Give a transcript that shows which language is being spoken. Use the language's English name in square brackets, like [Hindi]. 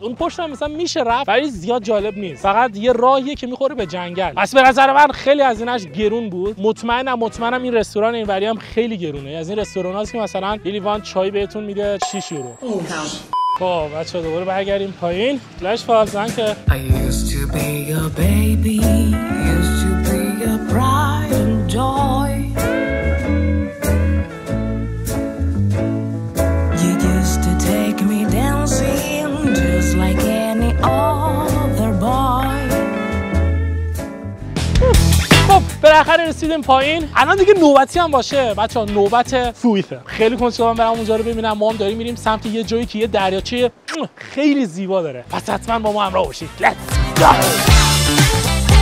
[Persian] اون پشت هم مثلا میشه رفت ولی زیاد جالب نیست، فقط یه راهیه که میخوره به جنگل. پس به نظر من خیلی از اینش گرون بود. مطمئنم این رستوران اینوری هم خیلی گرونه. از این رستوراناست که مثلا لیوان چای بهتون میده 6 یورو. خب بچه ها دوباره برگردیم پایین. لش فال زن [English] که I used to be your baby, used to be your pride and joy. You used to take me dancing just like any other boy. [Persian] خب بالاخره رسیدیم پایین. الان دیگه نوبتی هم باشه بچه ها، نوبت سویفه. خیلی کنجکاوم برم اونجا رو ببینم. ما هم داریم میریم سمت یه جایی که یه دریاچه خیلی زیبا داره. پس حتما با ما همراه باشید. [English] Let's go.